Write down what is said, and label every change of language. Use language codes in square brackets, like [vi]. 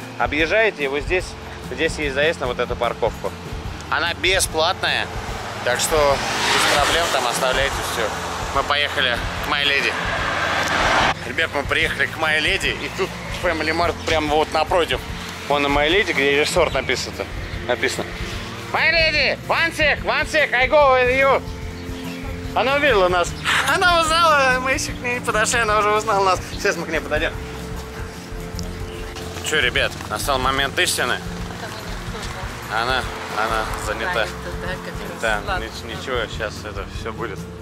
[ru] Объезжаете, и вот здесь есть заезд на вот эту парковку. Она бесплатная, так что без проблем там оставляйте все. Мы поехали к My Lady. Ребят, мы приехали к My Lady, и тут Family Mart прямо вот напротив. Вон и My Lady, где ресорт написано. [en] My Lady, one sec, I go with you. [ru] Она увидела нас. Она узнала, мы еще к ней не подошли, она уже узнала нас. Сейчас мы к ней подойдем. Че, ребят, настал момент истины. Она занята. Занята, да, да, ладно, ничего, ладно. Сейчас это все будет.